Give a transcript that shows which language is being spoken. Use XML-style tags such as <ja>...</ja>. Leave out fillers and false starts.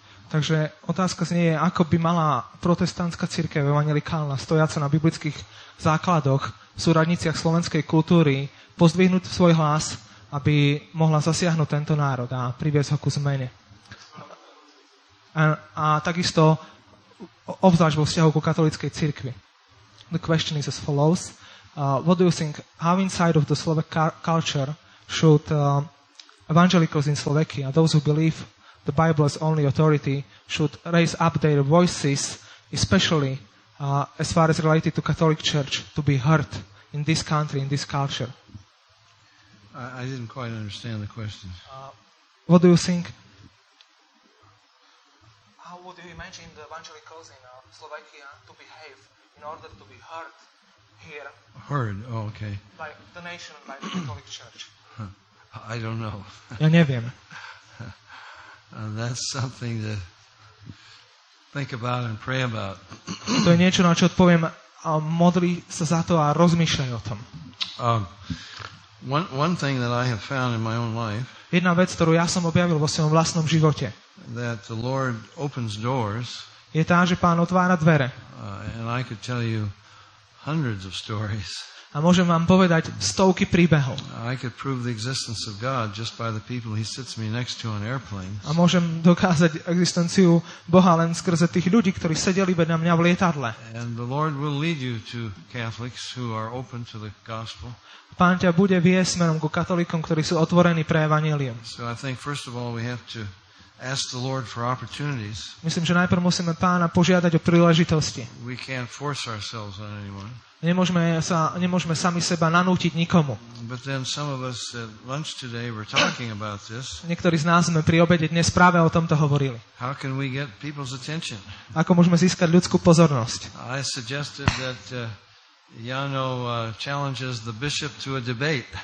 <sk>Takže otázka znie, ako by mala protestantská cirkev evangelikálna stojaca na biblických základoch v súradniciach slovenskej kultúry pozdvihnúť svoj hlas, aby mohla zasiahnuť tento národ a priviesť ho ku zmene. A takisto obzvlášť vo vzťahu ku katolíckej cirkvi.</sk> <en>The question is as follows. What do you think, how inside of the Slovak culture should evangelicals in Slovakia, those who believe the Bible is only authority, should raise up their voices, especially as far as related to Catholic Church, to be heard in this country, in this culture. I didn't quite understand the question. What do you think? How would you imagine the evangelicals in Slovakia to behave in order to be heard here? Heard, oh, okay. By the nation, by the Catholic Church. I don't know.</en> <sk>Ja neviem.</sk> <en>And that's something to think about and pray about.</en> <sk>To je niečo, na čo odpoviem, a modli sa za to a rozmýšľaj o tom.</sk> <en>One thing that I have found in my own life.</en> <sk>Jedna vec, ktorú ja som objavil vo svojom vlastnom živote.</sk> <en>That the Lord opens doors.</en> <sk>Je tá, že Pán otvára dvere.</sk> <en>And I could tell you hundreds of stories.</en> <sk>A môžem vám povedať stovky príbehov.</sk> <en>I could prove the existence of God just by the people he sits me next to on airplanes.</en> <sk>A môžem dokázať existenciu Boha len skrze tých ľudí, ktorí sedeli vedľa mňa v lietadle.</sk> <en>And the Lord will lead you to Catholics who are open to the gospel.</en> <sk>Pán ťa bude viesť smerom ku katolíkom, ktorí sú otvorení pre evanjelium.</sk> <en>So I think first of all we have to ask the Lord for opportunities.</en> <sk>Myslím, že najprv musíme Pána požiadať o príležitosti.</sk> <en>We can't force ourselves on anyone.</en> <sk>Nemôžeme sami seba nanútiť nikomu.</sk> <en>But then some of us at lunch today were talking about this.</en> <sk>Niektorí z nás sme pri obede dnes práve o tomto hovorili.</sk> <en>How can we get people's attention?</en> <sk>Ako môžeme získať ľudskú pozornosť?</sk> <en>I suggested that Jano challenges the bishop to a debate.</en>